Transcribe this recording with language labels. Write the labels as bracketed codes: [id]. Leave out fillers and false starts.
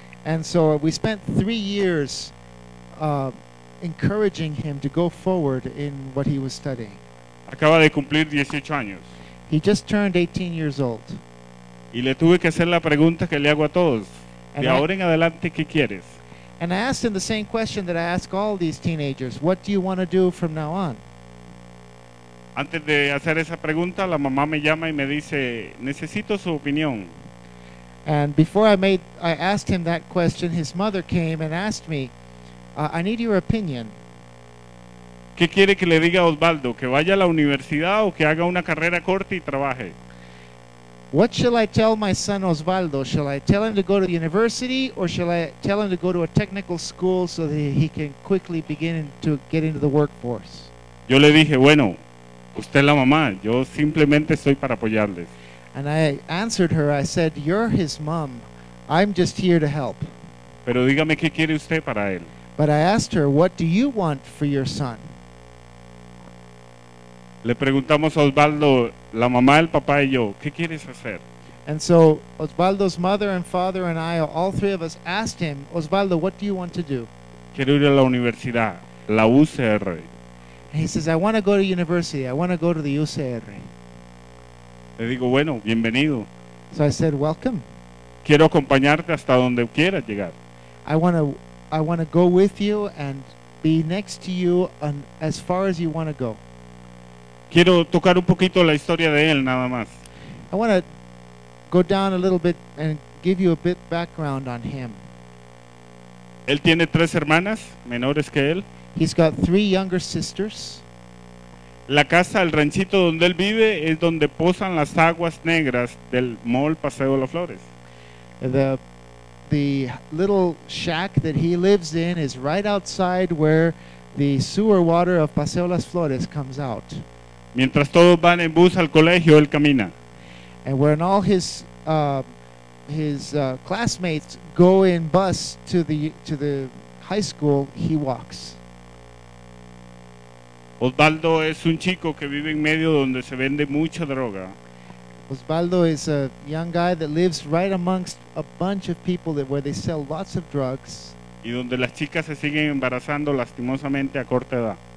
[en] And so we spent 3 years encouraging him to go forward in what he was studying. [es] Acaba de cumplir 18 años. [en] He just turned 18 years old. [es] Y le tuve que hacer la pregunta que le hago a todos. De ahora en adelante, ¿qué quieres? [en] And I asked him the same question that I ask all these teenagers. What do you want to do from now on? [es] Antes de hacer esa pregunta, la mamá me llama y me dice, necesito su opinión. [en] And before I asked him that question, his mother came and asked me, I need your opinion. [es] ¿Qué quiere que le diga a Osvaldo? ¿Que vaya a la universidad o que haga una carrera corta y trabaje? [en] What shall I tell my son Osvaldo? Shall I tell him to go to the university or shall I tell him to go to a technical school so that he can quickly begin to get into the workforce? [es] Yo le dije, bueno, usted es la mamá, yo simplemente estoy para apoyarles. [en] And I answered her, I said, you're his mom, I'm just here to help. [es] Pero dígame qué quiere usted para él. [en] But I asked her, what do you want for your son? [es] Le preguntamos a Osvaldo, la mamá, el papá y yo, ¿qué quieres hacer? [en] And so Osvaldo's mother and father and I, all three of us, asked him, Osvaldo, what do you want to do? [es] Quiero ir a la universidad, la UCR. [en] And he says, I want to go to university, I want to go to the UCR. [es] Le digo, bueno, bienvenido. [en] So I said, welcome. [es] Quiero acompañarte hasta donde quieras llegar. [en] I wanna go with you and be next to you on as far as you wanna go. [es] Quiero tocar un poquito la historia de él, nada más. [en] I wanna go down a little bit and give you a bit background on him. [es] Él tiene tres hermanas menores que él. [en] He's got three younger sisters. [es] La casa, el ranchito donde él vive, es donde posan las aguas negras del Mall Paseo de las Flores. [en] The little shack that he lives in is right outside where the sewer water of Paseo Las Flores comes out. [es] Mientras todos van en bus al colegio, él camina. [en] And when all his classmates go in bus to the high school, he walks. [es] Osvaldo es un chico que vive en medio donde se vende mucha droga. [en] Osvaldo is a young guy that lives right amongst a bunch of people that where they sell lots of drugs. [es] Y donde las chicas se siguen embarazando lastimosamente a corta edad.